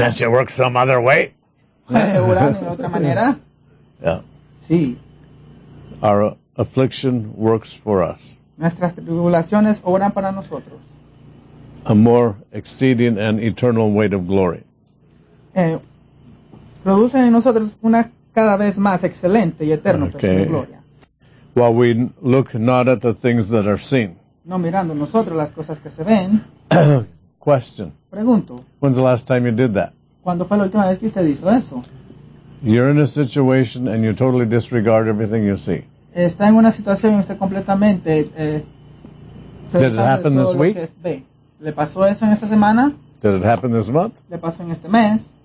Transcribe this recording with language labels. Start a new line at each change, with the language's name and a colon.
English: Can't you work some other way? Yeah.
Spanish: Sí.
English: Our affliction works for us.
Spanish: Nuestras tribulaciones obran para nosotros.
English: A more exceeding and eternal weight of glory.
Spanish: Producen en nosotros una cada vez más excelente y eterno peso de gloria.
English: While we look not at the things that are seen.
Spanish: No mirando nosotros las cosas que se ven.
English: Question.
Spanish: Pregunto.
English: When's the last time you did that?
Spanish: ¿Cuándo fue la última vez que usted hizo eso?
English: You're in a situation and you totally disregard everything you see.
Spanish: Está en una situación y usted completamente
English: Did it happen this week?
Spanish: ¿Le pasó eso en esta semana?
English: Did it happen this month?
Spanish: ¿Le pasó en este mes?